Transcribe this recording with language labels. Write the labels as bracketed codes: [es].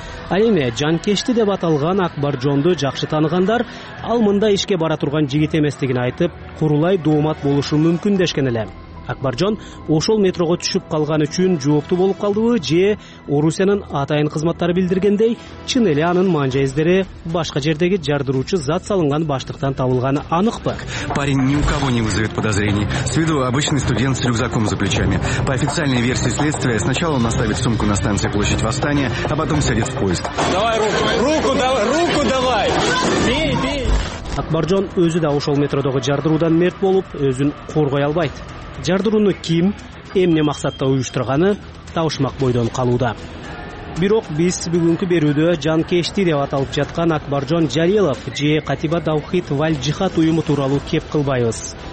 [ky] Ал эми жанкечти деп аталган Акбаржонду жакшы таанигандар ал мында ишке бара турган жигит эместигин айтып, курулай доомат болушу мүмкүн дешкен эле. Акбаржон ошол метрого түшүп калган үчүн жооптуу болуп калдыбы же Орусиянын атайын кызматтары билдиргендей, чын эле анын маанжаэздери башка жердеги жардыруучу зат салынган баштыктан табылганы аныкпы? [ru] Парень ни у кого не вызовет подозрений. С виду обычный студент с рюкзаком за плечами. По официальной версии следствия, сначала он оставит сумку на станции площадь Восстания, а потом сядет в поезд. Давай руку! Руку давай! Руку давай! Бей, бей! [ky] Акбаржон өзү да ошол метродогу жардыруудан мерт болуп, өзүн коргой албайт. Жардырууну ким, эмне максатта уюштурганы табышмак бойдон калууда. Бирок биз бүгүнкү берүүдө жанкечти деп аталып жаткан Акбаржон Жалилов же Катиба Таухид валь Джихад уюму тууралуу кеп кылбайбыз.